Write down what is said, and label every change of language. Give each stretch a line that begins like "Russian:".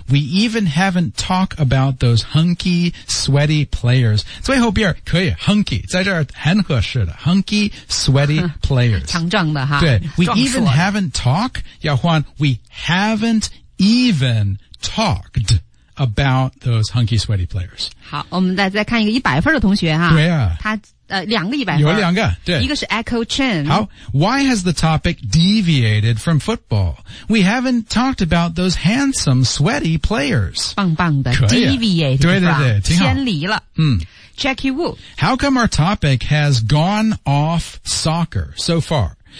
English: We even haven't talked about those hunky, sweaty players.
Chinese: 最后边可以 hunky 在这儿很合适的
English: hunky, sweaty players
Chinese: 强壮的哈对
English: We even haven't talked
Chinese: 要换
English: We haven't even talked about those hunky, sweaty players
Chinese: 好我们再看一个100分的同学哈对啊他两个一百分。有两个对。一个是 Echo Chen。好
English: ,why has the topic deviated from football? We haven't talked about those handsome, sweaty players.
Chinese: 棒棒的 ,deviated, 对对对挺好先离了。嗯。 Jackie Wu。
English: How come our topic has gone off soccer so far?